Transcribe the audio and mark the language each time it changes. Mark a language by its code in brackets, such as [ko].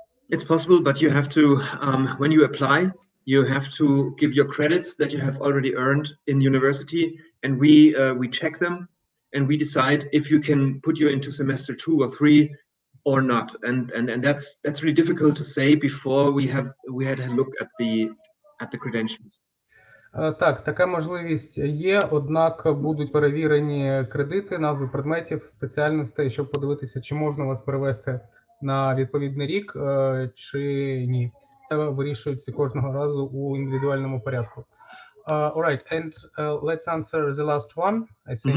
[en] It's possible, but you have to, when you apply, you have to give your credits that you have already earned in university, and we check them, and we decide if you can put you into semester 2 or 3 or not. And that's really difficult to say before we had a look at the credentials. [uk] Так, така можливість є, однак будуть перевірені кредити, назви предметів, спеціальностей, щоб подивитися, чи можна вас перевести на відповідний рік, чи ні. Це вирішується кожного разу у індивідуальному порядку. [en] All right, and let's answer the last one, I think.